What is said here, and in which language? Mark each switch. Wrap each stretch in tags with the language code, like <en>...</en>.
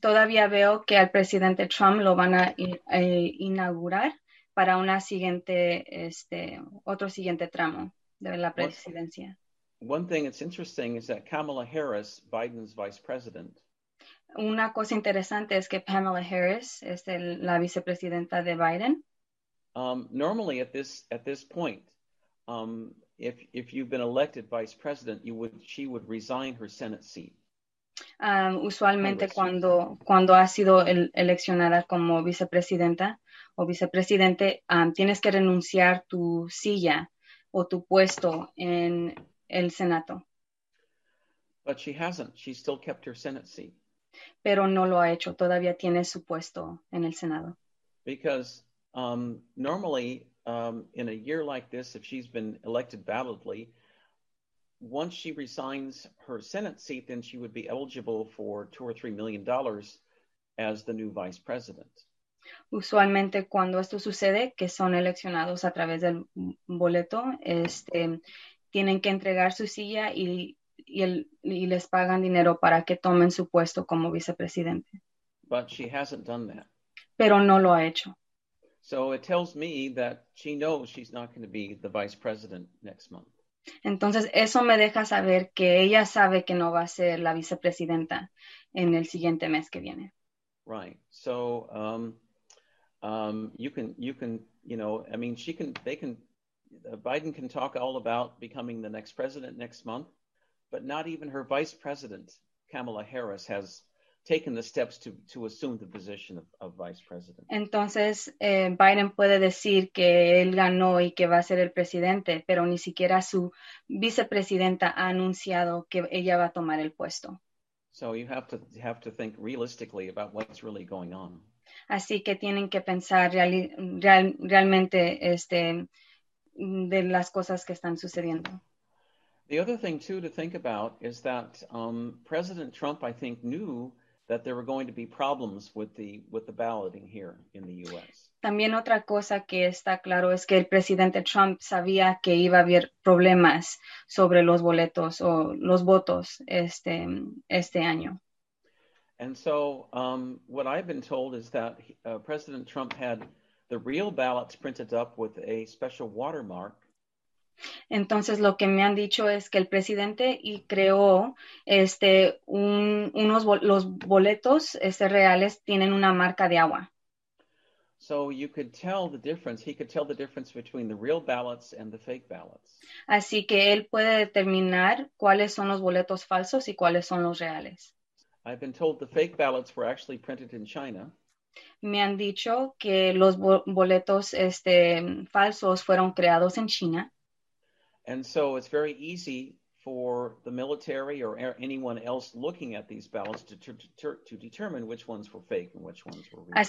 <es>Todavía veo que al presidente Trump lo van a inaugurar para una siguiente otro siguiente tramo de la presidencia.</es> <en>One thing that's interesting is that Kamala Harris, Biden's vice president.</en> <es>Una cosa interesante es que Kamala Harris es la vicepresidenta de Biden.</es> <en>Normally at this point, if you've been elected vice president, she would resign her Senate seat.</en> <es>Usualmente cuando ha sido eleccionada como vicepresidenta o vicepresidente, tienes que renunciar tu silla o tu puesto en el Senado.</es> <en>But she hasn't. She still kept her Senate seat.</en> <es>Pero no lo ha hecho. Todavía tiene su puesto en el Senado.</es> <en>Because normally, in a year like this, if she's been elected validly, once she resigns her Senate seat, then she would be eligible for $2 or $3 million as the new vice president.</en> <es>Usualmente cuando esto sucede, que son eleccionados a través del boleto, tienen que entregar su silla y les pagan dinero para que tomen su puesto como vicepresidente.</es> <en>But she hasn't done that.</en> <es>Pero no lo ha hecho.</es> <en>So it tells me that she knows she's not going to be the vice president next month.</en> <es>Entonces eso me deja saber que ella sabe que no va a ser la vicepresidenta en el siguiente mes que viene.</es> <en>Right. So Biden can talk all about becoming the next president next month, but not even her vice president, Kamala Harris, has taken the steps to assume the position of vice president.</en> <es>Entonces, Biden puede decir que él ganó y que va a ser el presidente, pero ni siquiera su vicepresidenta ha anunciado que ella va a tomar el puesto.</es> <en>So you have to think realistically about what's really going on.</en> <es>Así que tienen que pensar realmente de las cosas que están sucediendo.</es> <en>The other thing too to think about is that President Trump, I think, knew that there were going to be problems with the balloting here in the U.S.</en> <es>También otra cosa que está claro es que el presidente Trump sabía que iba a haber problemas sobre los boletos o los votos este año.</es> <en>And so what I've been told is that President Trump had the real ballots printed up with a special watermark.</en> <es>Entonces lo que me han dicho es que el presidente y creó los boletos reales tienen una marca de agua.</es> <en>So you could tell the difference. He could tell the difference between the real ballots and the fake ballots.</en> <es>Así que él puede determinar cuáles son los boletos falsos y cuáles son los reales.</es> <en>I've been told the fake ballots were actually printed in China.</en> <es>Me han dicho que los boletos falsos fueron creados en China.</es> <en>And so it's very easy for the military or anyone else looking at these ballots to determine which ones were fake and which ones were real.</en>